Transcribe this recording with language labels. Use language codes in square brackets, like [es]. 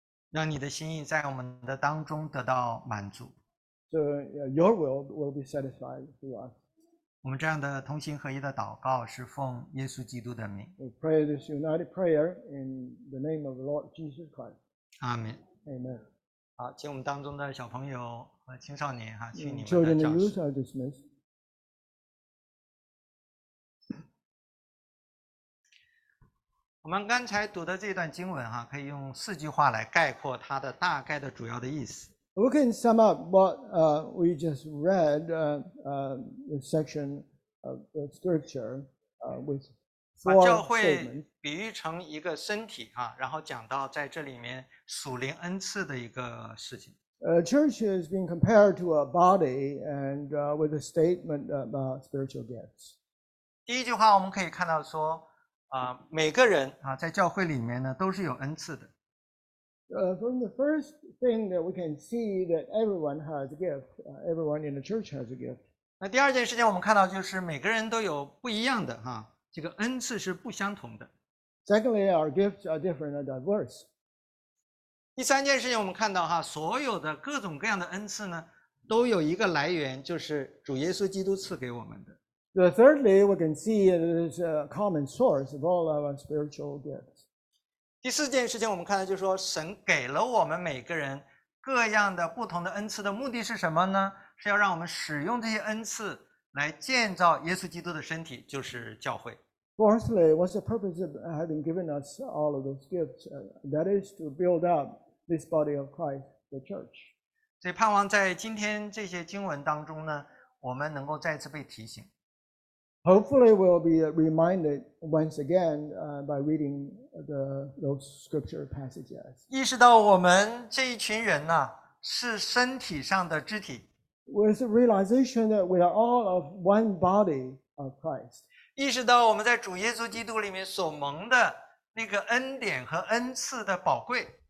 [zh] 让你的心意在我们的当中得到满足。 [en] So your will be satisfied through us. [zh] 我们这样的同心合一的祷告是奉耶稣基督的名。 [en] We pray this united prayer in the name of the Lord Jesus Christ. Amen. Amen. [zh] 好，请我们当中的小朋友和青少年哈，去你们的教室。 [en] Children and youth are dismissed. [zh] 我们刚才读的这段经文哈，可以用四句话来概括它的大概的主要的意思。 [en] We can sum up what we just read, the section of the scripture, with four statements. [zh] 教会比喻成一个身体啊，然后讲到在这里面属灵恩赐的一个事情。 [en] Church is being compared to a body and with a statement about spiritual gifts. [zh] 第一句话我们可以看到说，每个人啊，在教会里面呢，都是有恩赐的。 [en] From the first thing that we can see that everyone has a gift, everyone in the church has a gift. [zh] 那第二件事情我们看到就是每个人都有不一样的哈，这个恩赐是不相同的。 [en] Secondly, our gifts are different and diverse. [zh] 第三件事情我们看到哈，所有的各种各样的恩赐呢，都有一个来源，就是主耶稣基督赐给我们的。 [en] So thirdly, we can see that it is a common source of all our spiritual gifts. [zh] 第四件事情我们看到就是说神给了我们每个人各样的不同的恩赐的目的是什么呢？是要让我们使用这些恩赐来建造耶稣基督的身体，就是教会。 [en] Fourthly, what's the purpose of having given us all of those gifts? That is to build up this body of Christ, the church. [zh] 所以盼望在今天这些经文当中呢，我们能够再次被提醒。 [en] Hopefully, we'll be reminded once again by reading those scripture passages. [zh] 意识到我们这一群人呢，是身体上的肢体。 [en] With the realization that we are all of one body of Christ. [zh] 意识到我们在主耶稣基督里面所蒙的那个恩典和恩赐的宝贵。